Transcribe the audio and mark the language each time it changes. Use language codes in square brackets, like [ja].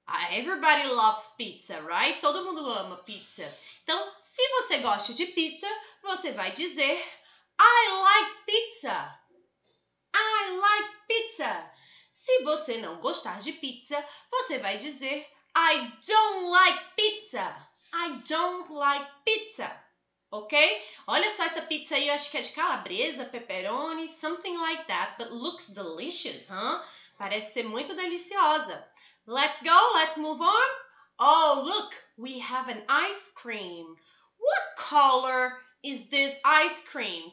[en] Everybody loves pizza, right? [pt] Todo mundo ama pizza. Então, se você gosta de pizza, você vai dizer [en] I like pizza. I like pizza. [pt] Se você não gostar de pizza, você vai dizer [en] I don't like pizza. I don't like pizza. Ok? [pt] Olha só essa pizza aí, eu acho que é de calabresa, pepperoni, [en] something like that, but looks delicious, huh? [pt] Parece ser muito deliciosa. [en] Let's go, let's move on. Oh, look, we have an ice cream. What color is this ice cream?